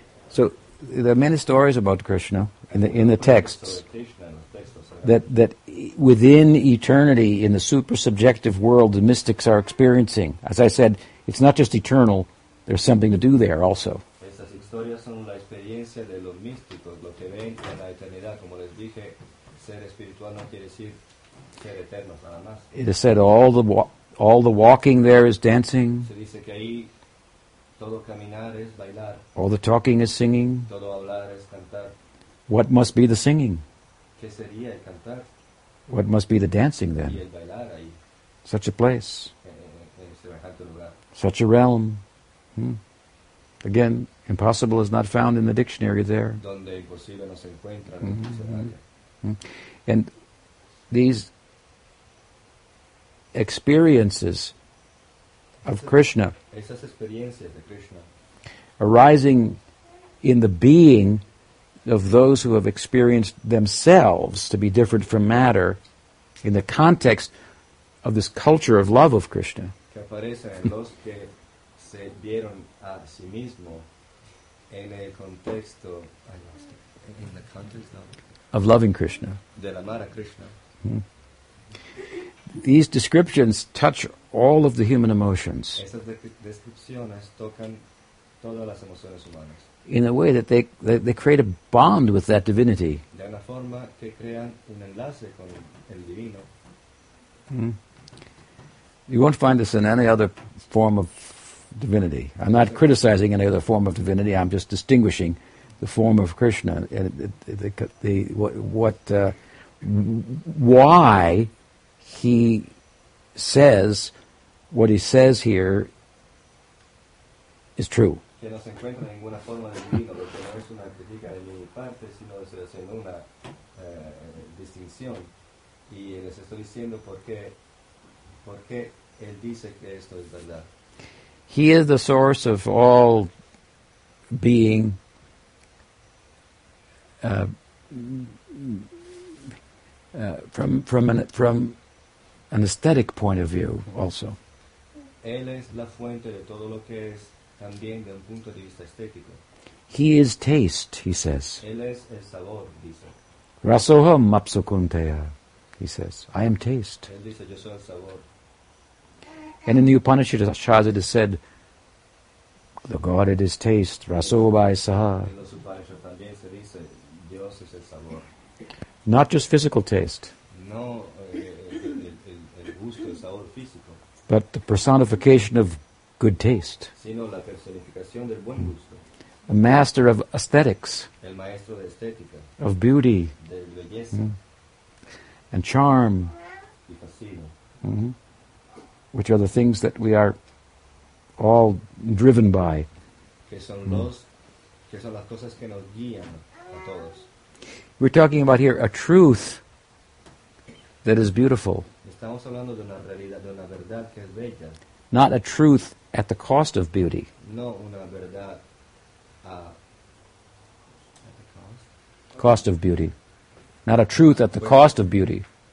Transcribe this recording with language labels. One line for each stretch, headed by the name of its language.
English: So there are many stories about Krishna in the texts that within eternity, in the super-subjective world, the mystics are experiencing. As I said, it's not just eternal, there's something to do there also.
Spanish: historias son la experiencia de los místicos, lo que ven en la eternidad. Como les dije, ser espiritual no quiere decir ser eterno, nada más.
English: It is said all the walking there is dancing.
Spanish: Se dice que ahí todo caminar es bailar.
English: All the talking is singing.
Spanish: Todo hablar es cantar.
English: What must be the singing?
Spanish: ¿Qué sería el cantar?
English: What must be the dancing then?
Spanish: Y el bailar ahí.
English: Such a place.
Spanish: En semejante lugar.
English: Such a realm. Again, impossible is not found in the dictionary there.
Spanish: Donde imposible no se encuentra.
English: And these experiences of Krishna,
Spanish: esas experiencias de Krishna
English: arising in the being of those who have experienced themselves to be different from matter in the context of this culture of love of Krishna.
Spanish: Que aparecen en los que se vieron a sí mismo en el contexto,
English: I lost it, in the context of loving Krishna.
Spanish: De amar a Krishna.
English: These descriptions touch all of the human emotions.
Spanish: Esas descripciones tocan todas las emociones humanas.
English: In a way that they create a bond with that divinity.
Spanish: De una forma que crean un enlace con el divino.
English: You won't find this in any other form of divinity. I'm not criticizing any other form of divinity. I'm just distinguishing the form of Krishna and why he says what he says here is true.
Spanish: Que no se encuentra en ninguna forma de divino, porque no es una crítica de mi parte, sino estoy haciendo una distinción. Y les estoy diciendo por qué él dice que esto es verdad.
English: He is the source of all being. From an aesthetic point of view, also.
Spanish: Él es la fuente de todo lo que es, también de un punto de vista estético.
English: He is taste, he says.
Spanish: Él es el sabor, dice.
Sanskrit: Rasoham mapsukunteya,
English: he says. I am taste.
Spanish: Él dice, yo soy el sabor.
English: And in the Upanishads, it is said, the God it is taste,
Sanskrit: rasobai saha.
Spanish: En los Upanishads también se dice, Dios es el sabor.
English: Not just physical taste.
Spanish: No, el gusto, el sabor físico.
English: But the personification of good taste.
Spanish: Sino la personificación del buen gusto.
English: A master of aesthetics.
Spanish: El maestro de estética.
English: Of beauty.
Spanish: De belleza.
English: And charm.
Spanish: Y fascino.
English: Which are the things that we are all driven by.
Spanish: Que son los, que son las cosas que nos guían a todos.
English: We're talking about here a truth that is beautiful.
Spanish: Estamos hablando de una realidad, de una verdad que es bella.
English: Not a truth at the cost of beauty.
Spanish: No una verdad
English: at the cost. Okay. Cost of beauty. Not a truth at the cost of beauty.